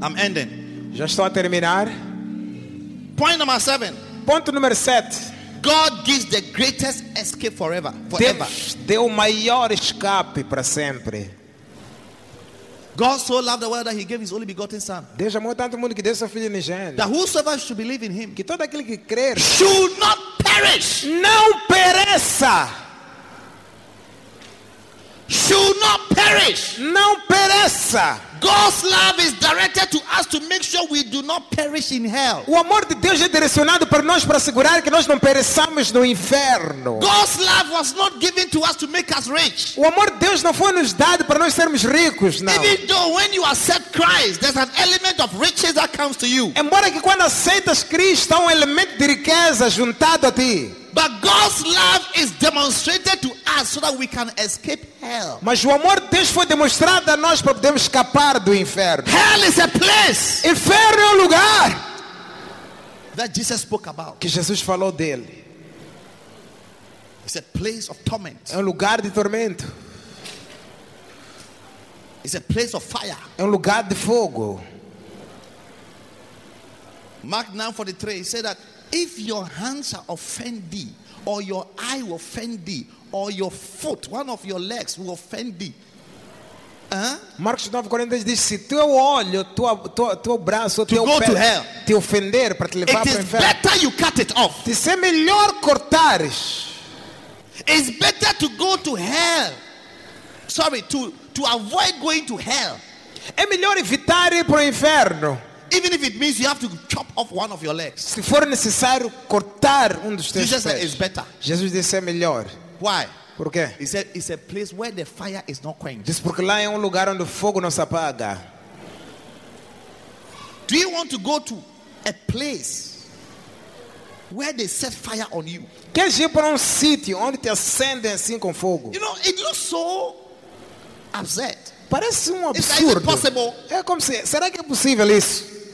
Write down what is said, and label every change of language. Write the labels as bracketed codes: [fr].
[en] I'm ending. [pt] Já estou a terminar. [en] Point number 7. [pt] Ponto número 7. [en] God gives the greatest escape forever. Forever. [pt] Deu o maior escape para sempre. [en] God so loved the world that he gave his only begotten son. [pt] Deus amou tanto o mundo que deu seu filho unigênito. [en] That whosoever should believe in him, [pt] que todo aquele que crer, [en] should not perish. [pt] Não pereça. [en] Should not perish. [pt] Não pereça. [en] God's love is directed to us to make sure we do not perish in hell. [pt] O amor de Deus é direcionado para nós para assegurar que nós não pereçamos no inferno. [en] God's love was not given to us to make us rich. [pt] O amor de Deus não foi nos dado para nós sermos ricos, não. [en] Even though when you accept Christ, there's an element of riches that comes to you. [pt] Embora que quando aceitas Cristo, há elemento de riqueza juntado a ti. [en] But God's love is demonstrated to us so that we can escape hell. [pt] Mas o amor de Deus foi demonstrado a nós para podermos escapar do inferno. [en] Hell is a place. [pt] Inferno é um lugar. [en] That Jesus spoke about. [pt] Que Jesus falou dele. [en] It's a place of torment. [pt] É um lugar de tormento. [en] It's a place of fire. [pt] É um lugar de fogo. [en] Mark 9:43 said that if your hands are offend thee, or your eye will offend thee, or your foot, one of your legs will offend thee. Huh? [pt] Marcos 9:40 diz, se teu olho, teu braço, teu [en] to [pt] pé [en] to hell, [pt] te ofender para te levar para o inferno, [en] it is better you cut it off. [pt] Te ser melhor cortares. [en] It's better to go to hell. Sorry, to avoid going to hell. [pt] É melhor evitar ir para o inferno. [en] Even if it means you have to chop off one of your legs. [pt] Se for necessário cortar dos teus [en] Jesus [pt] pés. [en] Said it's better. [pt] Jesus disse é melhor. [en] Why? [pt] Por quê? [en] He said it's a place where the fire is not quenched. [pt] Diz porque lá é lugar onde o fogo não se apaga. [en] Do you want to go to a place where they set fire on you? [pt] Queres ir para sítio onde te acendem assim com fogo? [en] You know, it looks so absurd. [pt] Parece absurdo. É como se, será que é possível isso?